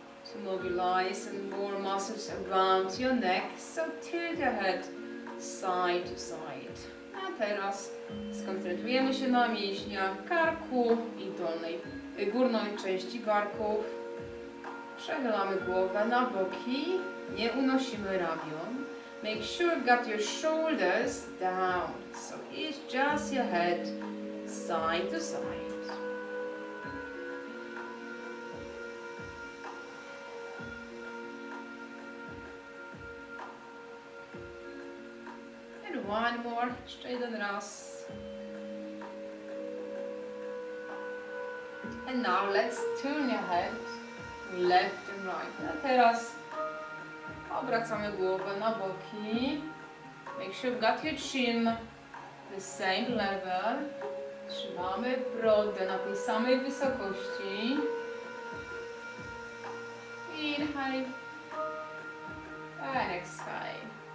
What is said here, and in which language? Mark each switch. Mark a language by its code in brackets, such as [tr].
[en] to mobilize and more muscles around your neck, so tilt your head side to side. [pl] A teraz skoncentrujemy się na mięśniach karku i dolnej, górnej części barków. Przechylamy głowę na boki, nie unosimy ramion. [en] Make sure you've got your shoulders down, so it's just your head side to side. One more, [pl] jeszcze jeden raz. [en] And now let's turn your head left and right. [pl] A teraz obracamy głowę na boki. [en] Make sure you've got your chin the same level. [pl] Trzymamy brodę na tej samej wysokości. [en] Inhale. And exhale.